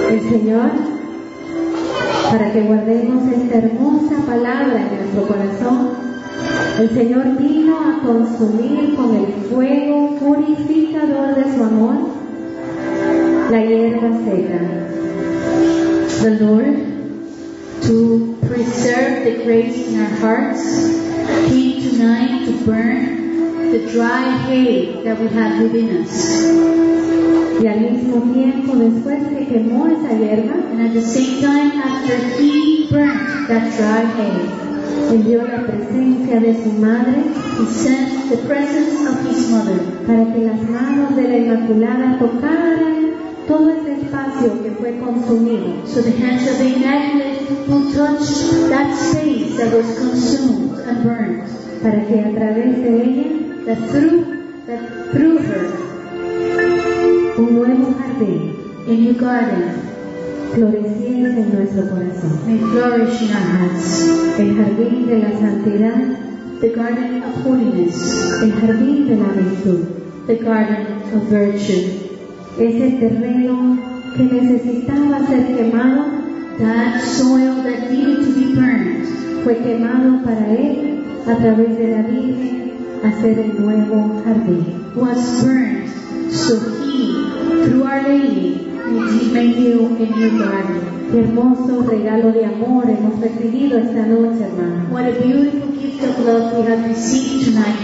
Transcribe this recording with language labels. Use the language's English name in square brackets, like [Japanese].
[Spanish] Señor, para que guardemos esta hermosa palabra en nuestro corazón. El Señor vino a consumir con el fuego purificador de su amor la hierba seca. [English] The Lord, to preserve the grace in our hearts, came tonight to burn the dry hay that we have within us. [Spanish] Y al mismo tiempo, después que quemó esa hierba, [English] and at the same time, after he burnt that dry hay, [Spanish] envió la presencia de su madre, [English] he sent the presence of his mother, [Spanish] para que las manos de la Inmaculada tocaran todo ese espacio que fue consumido. [English] So the hands of the Immaculate touched that space that was consumed and burned, [Spanish] para que a través de ella, [English] that through her, [Spanish] un nuevo jardín, [English] a new garden, [Spanish] floreciese en nuestro corazón. [English] May flourish in our hearts. [Spanish] El jardín de la santidad, [English] the garden of holiness. [Spanish] El jardín de la virtud, [English] the garden of virtue. [Spanish] Ese terreno que necesitaba ser quemado, [English] that soil that needed to be burned, [Spanish] fue quemado para él a través de la Virgen a ser el nuevo jardín. [English] Was burned so he, through our lady, made you a new garden. [Spanish] Qué hermoso regalo de amor hemos recibido esta noche, hermano. [English] What a beautiful gift of love we have received tonight.